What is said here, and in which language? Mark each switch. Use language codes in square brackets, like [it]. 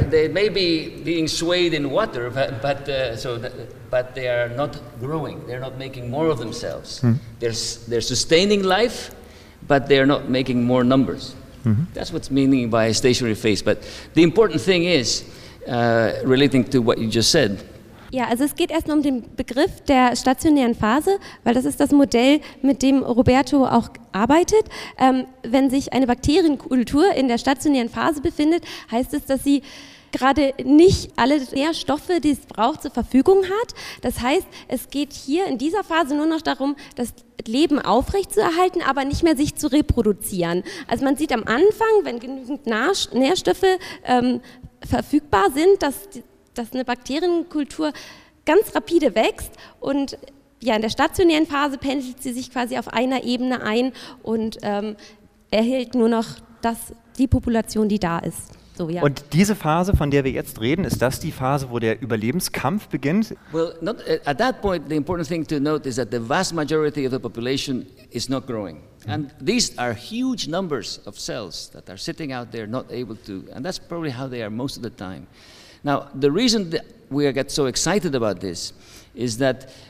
[en] They may be being swayed in water, but they are not growing. They're not making more of themselves. They're sustaining life, but they're not making more numbers. That's what's meaning by a stationary phase. But the important thing is, relating to what you just said... [de] Ja, also es geht erst nur um den Begriff der stationären Phase, weil das ist das Modell, mit dem Roberto auch arbeitet. Wenn sich eine Bakterienkultur in der stationären Phase befindet, heißt es, dass sie gerade nicht alle Nährstoffe, die es braucht, zur Verfügung hat. Das heißt, es geht hier in dieser Phase nur noch darum, das Leben aufrechtzuerhalten, aber nicht mehr sich zu reproduzieren. Also man sieht am Anfang, wenn genügend Nährstoffe verfügbar sind, dass eine Bakterienkultur ganz rapide wächst und ja, in der stationären Phase pendelt sie sich quasi auf einer Ebene ein und erhält nur noch die Population, die da ist. So, ja. Und diese Phase, von der wir jetzt reden, ist das die Phase, wo der Überlebenskampf beginnt? [en] Well, not, at that point, the important thing to note is that the vast majority of the population is not growing. And these are huge numbers of cells that are sitting out there not able to, and that's probably how they are most of the time. Now, the reason that we get so excited about this is that